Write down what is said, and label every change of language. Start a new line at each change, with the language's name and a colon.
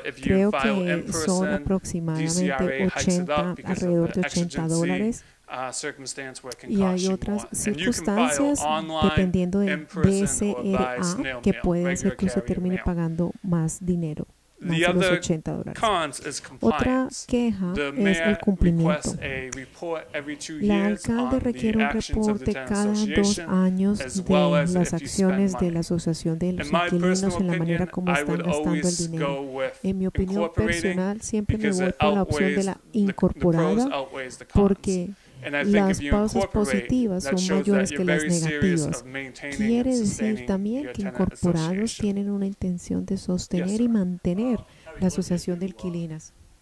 Spanish: Creo que son aproximadamente $80. Y hay otras circunstancias dependiendo de DSRA que puede hacer que usted termine pagando más dinero.
English: The other cons is compliance. The mayor requests a report every 2 years on the actions of the tenant association, as well as if you spend money. In my personal opinion, I would always go with incorporating, because it outweighs the pros, outweighs the cons. And I think
Spanish: las pausas positivas son mayores que las negativas. Quiere decir también que incorporados tienen una intención de sostener y mantener la asociación de inquilinas.